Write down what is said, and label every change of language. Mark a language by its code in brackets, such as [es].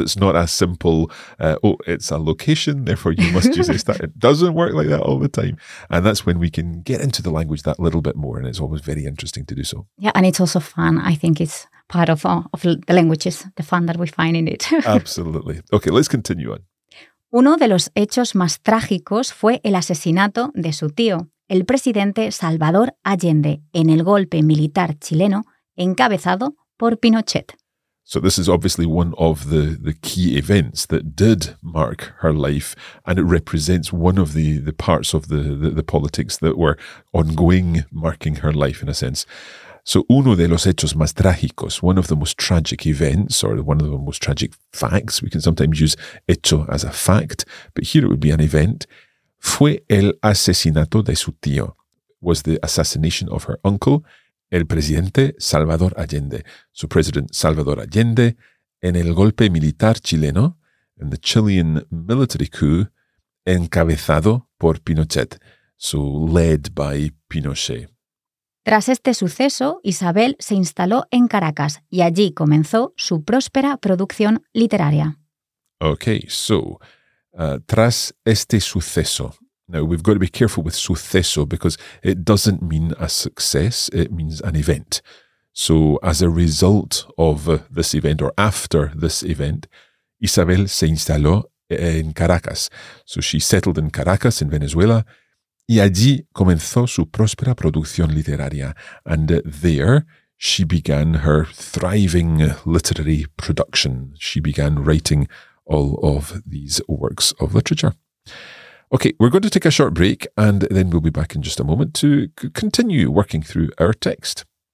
[en] It's not as simple, it's a location, therefore you must use estar. It doesn't work like that all the time. And that's when we can get into the language that little bit more, and it's always very interesting to do so. Yeah, and it's also fun. I think it's part of the languages, the fun that we find in it. Absolutely. Okay, let's continue on. [es] Uno de los hechos más trágicos fue el asesinato de su tío, el presidente Salvador Allende, en el golpe militar chileno encabezado por Pinochet. [en] So this is obviously one of the key events that did mark her life, and it represents one of the parts of the politics that were ongoing, marking her life in a sense. So [es] uno de los hechos más trágicos, [en] one of the most tragic events, or one of the most tragic facts, we can sometimes use hecho as a fact, but here it would be an event, [es] fue el asesinato de su tío, [en] was the assassination of her uncle, [es] el presidente Salvador Allende. [en] So President Salvador Allende, [es] en el golpe militar chileno, [en] in the Chilean military coup, [es] encabezado por Pinochet, [en] so led by Pinochet. [es] Tras este suceso, Isabel se instaló en Caracas y allí comenzó su próspera producción literaria. [en] Okay, so, [es] tras este suceso. [en] Now, we've got to be careful with suceso because it doesn't mean a success, it means an event. So, as a result of this event or after this event, [es] Isabel se instaló en Caracas. [en] So, she settled in Caracas, in Venezuela, [es] y allí comenzó su próspera producción literaria. [en] And there, she began her thriving literary production. She began writing all of these works of literature. Okay, we're going to take a short break, and then we'll be back in just a moment to continue working through our text.